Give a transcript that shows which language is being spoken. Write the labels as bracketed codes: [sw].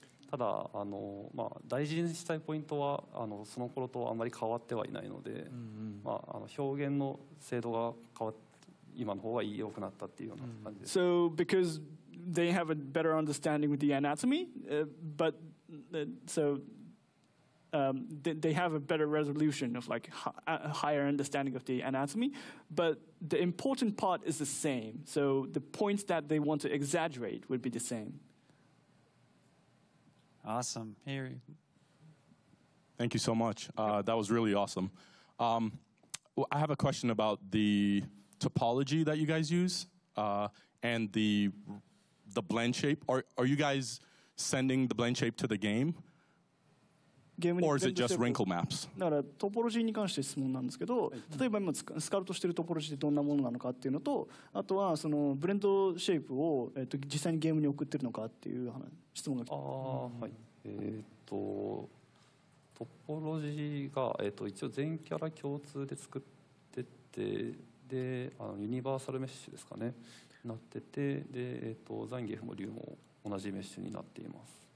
[ja] ただ大事にしたいポイントはその頃とあんまり変わってはいないので、まあ表現の精度が変わって今の方が良くなったっていうような感じです。 [en] So because they have a better understanding with the anatomy, but so. They have a better resolution of like a higher understanding of the anatomy, but the important part is the same. So the points that they want to exaggerate would be the same. Awesome. Harry. Thank you so much. That was really awesome. I have a question about the topology that you guys use and the blend shape. Are you guys sending the blend shape to the game? Or is it just wrinkle maps? [ja] だからトポロジーに関して質問なんですけど、例えば今スカルトしてるトポロジーってどんなものなのかっていうのと、あとはそのブレンドシェイプを実際にゲームに送ってるのかっていう質問が来て、はい。トポロジーが、一応全キャラ共通で作ってて、でユニバーサルメッシュですかね、なってて、で、ザンギフも竜も同じメッシュになっています。